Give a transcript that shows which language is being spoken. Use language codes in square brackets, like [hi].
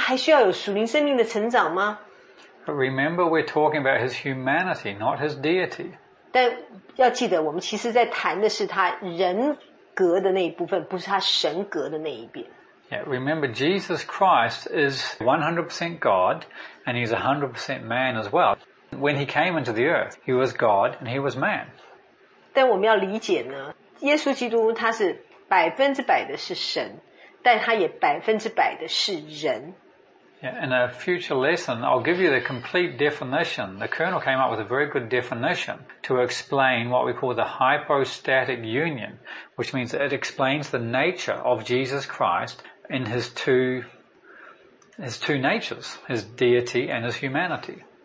[zh] 这个我们谈到所谓耶稣基督他的属灵生命的成长，这个题目听起来有点怪怪，因为大家一定会想说，很多人会想说，耶稣基督他是神不是吗？他还需要有属灵生命的成长吗？ [en] But remember, we're talking about his humanity, not his deity. [zh] 但要记得，我们其实在谈的是他人格的那一部分，不是他神格的那一边。Yeah, [en] remember, Jesus Christ is 100% God, and he's 100% man as well. When he came into the earth, he was God and he was man. [zh] 但我们要理解呢，耶稣基督他是100%的是神，但他也100%的是人。 [en] Yeah, in a future lesson, I'll give you the complete definition. The Colonel came up with a very good definition to explain what we call the hypostatic union, which means it explains the nature of Jesus Christ in his two natures, his deity and his humanity.